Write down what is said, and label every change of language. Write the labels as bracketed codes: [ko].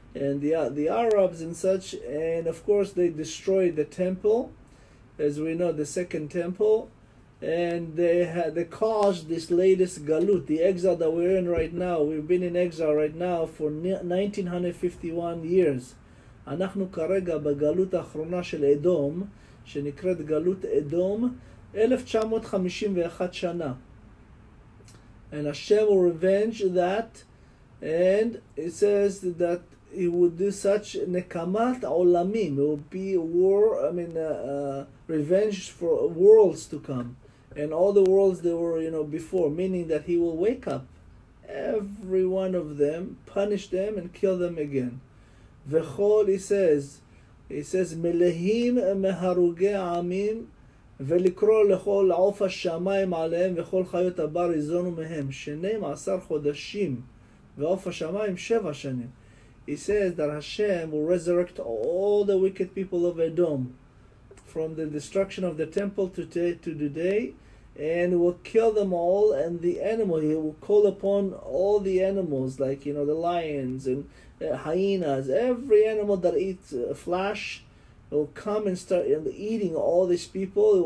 [en] and the Arabs and such, and of course they destroyed the temple, as we know, the second temple, and they caused this latest galut, the exile that we're in right now. We've been in exile right now for 1951 years. [he] אנחנו כרגע בגלות האחרונה של אדום, שנקראת גלות אדום, 1951 שנה. [en] And Hashem will revenge that, and it says that he would do such [he] nekamat olamim, [en] it would be war, revenge for worlds to come, and all the worlds that were, you know, before, meaning that he will wake up every one of them, punish them, and kill them again. [he] וכל, [en] he says, [he] מלאים מהרוגי עמים, ולקרוא לכל עוף השמיים עליהם, וכל חיות הבר יזונו מהם, 12 חודשים, ועוף השמיים 7 שנים. [en] He says that Hashem will resurrect all the wicked people of Edom from the destruction of the temple to today, and will kill them all, and the animal, he will call upon all the animals, like, you know, the lions and hyenas, every animal that eats flesh will come and start eating all these people.